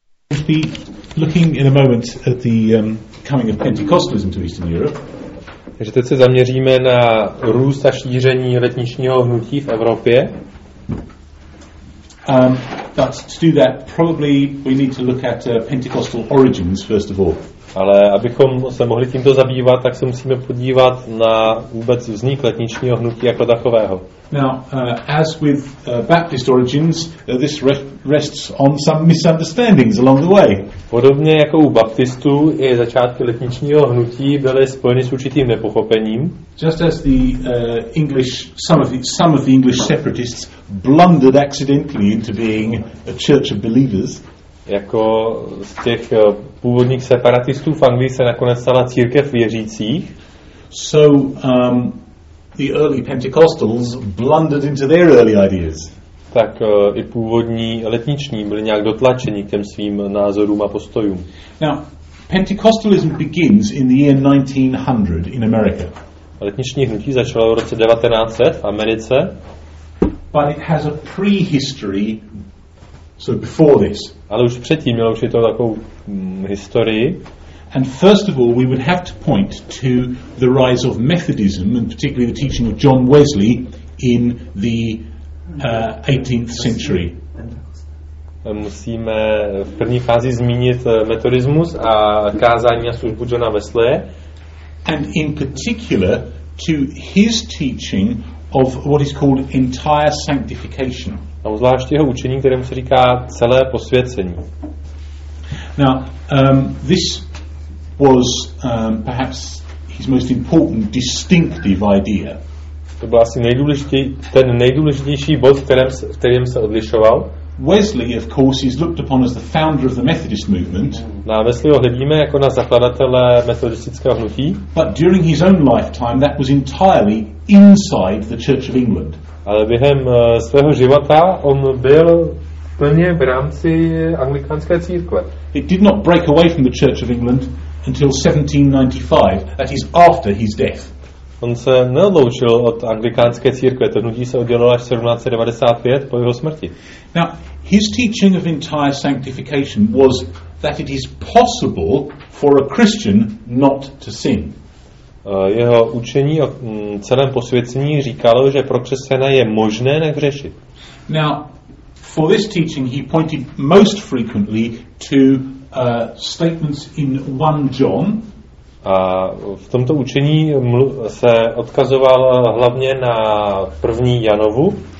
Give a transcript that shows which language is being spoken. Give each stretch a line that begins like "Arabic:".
English: to be looking in a moment at the coming of Pentecostalism to Eastern Europe.
Czech: Takže teď se zaměříme na růst a šíření letničního hnutí v Evropě.
English: But to do that, probably we need to look at Pentecostal origins first of all.
Czech: Ale abychom se mohli tímto zabývat, tak se musíme podívat na vůbec vznik letničního hnutí jako takového.
English: Now, as with Baptist origins, this rests on some misunderstandings along the way.
Czech: Podobně jako u baptistů, i začátky letničního hnutí byly spojeny s určitým nepochopením.
English: Just as the English, some of the English separatists blundered accidentally into being a church of believers.
Czech: Jako z těch původních separatistů v Anglii se nakonec stala církev věřících.
English: So the early Pentecostals blundered into their early ideas.
Czech: Tak i původní letniční byli nějak dotlačeni k těm svým názorům a postojům.
English: Now, Pentecostalism begins in the year 1900 in America.
Czech: Letniční hnutí začalo v roce 1900 v Americe.
English: But it has a prehistory. So before this.
Czech: Ale už předtím mělo už je to takovou historii.
English: And first of all, we would have to point to the rise of Methodism and particularly the teaching of John Wesley in the 18th century.
Czech: Musíme v první fázi zmínit metodismus a kázání a službu Johna Wesleye.
English: And in particular to his teaching of what is called entire sanctification.
Czech: A zvlášť jeho učení, kterému se říká celé posvěcení.
English: Now, this was perhaps his most important distinctive idea.
Czech: To byl asi nejdůležitější bod, kterým se odlišoval.
English: Wesley, of course, is looked upon as the founder of the Methodist movement.
Czech: Na Wesleyho hledíme jako na zakladatele metodistického hnutí.
English: But during his own lifetime, that was entirely inside the Church of England.
Czech: Ale během svého života on byl plně v rámci anglikánské církve.
English: He did not break away from the Church of England until 1795, that is after his death.
Czech: On se neodloučil od anglikánské církve, to hnutí se oddělilo až 1795 po jeho smrti.
English: Now, his teaching of entire sanctification was that it is possible for a Christian not to sin.
Czech: Jeho učení o celém posvěcení říkalo, že pro křesťana je možné nehřešit.
English: Now, for this teaching he pointed most frequently to statements in 1 John.
Czech: A v tomto učení se odkazoval hlavně na první Janovu.